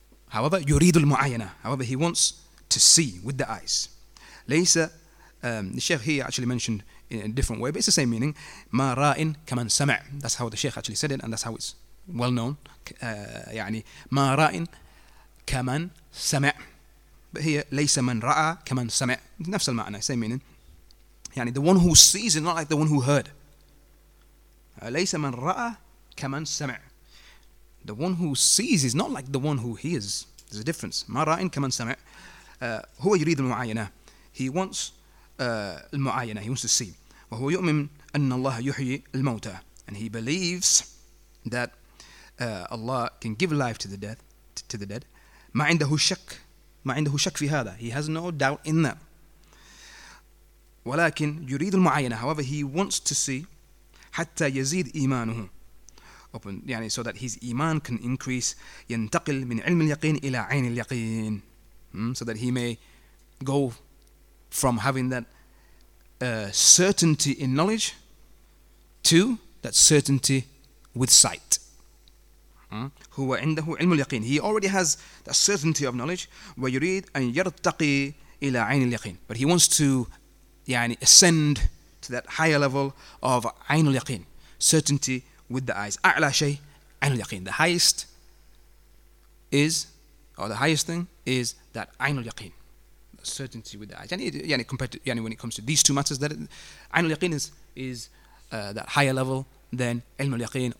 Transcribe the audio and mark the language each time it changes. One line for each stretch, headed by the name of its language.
English: However,
Arabic: يريد المعينة.
English: However, he wants to see with the eyes. ليس, the Sheikh here actually mentioned in a different way, but it's the same meaning.
Arabic: ما رأين كمن سمع.
English: That's how the Sheikh actually said it, and that's how it's well known.
Arabic: يعني ما رأين كمن سمع.
English: But here,
Arabic: ليس من رأى كمن سمع. نفس المعنى,
English: same meaning. يعني the one who sees is not like the one who heard.
Arabic: ليس من رأى كمن سمع.
English: The one who sees is not like the one who hears. There's a difference.
Arabic: ما رأى كمن سمع. هو يريد المعاينة.
English: He wants المعاينة. He wants to see.
Arabic: وهو يؤمن أن الله يحيي الموتى.
English: And he believes that Allah can give life to the dead. To the dead.
Arabic: ما عنده شك. ما عنده شك في هذا.
English: He has no doubt in that.
Arabic: ولكن يريد المعاينة.
English: However, he wants to see.
Arabic: حتى يزيد إيمانه, open, يعني
English: so that his iman can increase.
Arabic: ينتقل من علم اليقين إلى عين اليقين.
English: so that he may go from having that certainty in knowledge to that certainty with sight.
Arabic: هو عنده علم اليقين.
English: He already has the certainty of knowledge.
Arabic: ويريد أن يرتقي إلى عين اليقين.
English: But he wants to, يعني, ascend to that higher level of عين اليقين, certainty with the eyes.
Arabic: أعلى شيء عين اليقين.
English: The highest is, or the highest thing is that عين اليقين, certainty with the eyes. يعني compared to, يعني when it comes to these two matters, that عين اليقين is that higher level than علم اليقين.